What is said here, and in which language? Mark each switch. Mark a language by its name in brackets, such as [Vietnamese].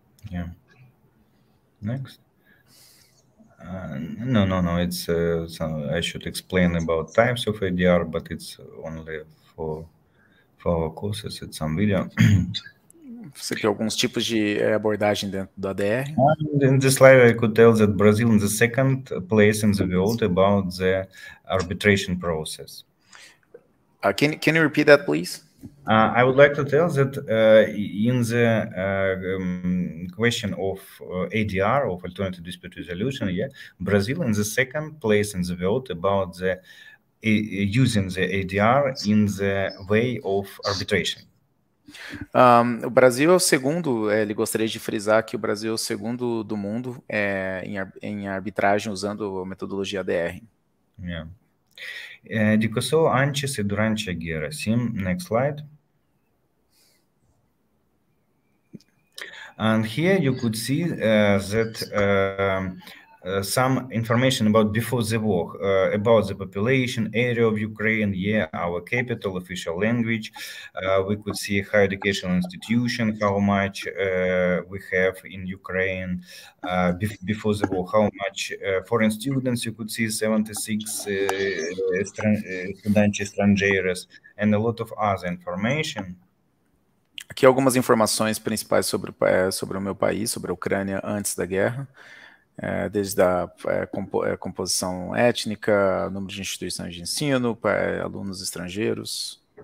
[English] Yeah. Next. No, it's some, I should explain about types of ADR, but it's only for our courses, it's some video. [Portuguese] Você quer alguns tipos de abordagem dentro do ADR? [English] And in this slide, I could tell that Brazil is the second place in the world about the arbitration process. Can you repeat that, please? I would like to tell that in the question of ADR, of alternative dispute resolution, yeah, Brazil is the second place in the world about the using the ADR in the way of arbitration. [Portuguese] O Brasil é o segundo, ele gostaria de frisar que o Brasil é o segundo do mundo em arbitragem usando a metodologia ADR. Yeah. Discussou antes e durante a guerra. [English] Sim, next slide. And here you could see that some information about before the war, about the population, area of Ukraine, yeah, our capital, official language. We could see higher educational institution, how much we have in Ukraine before the war, how much foreign students. You could see 76 students, estrangeiros, and a lot of other information. [Portuguese] Aqui algumas informações principais sobre o meu país, sobre a Ucrânia antes da guerra, desde a composição étnica, número de instituições de ensino, alunos estrangeiros.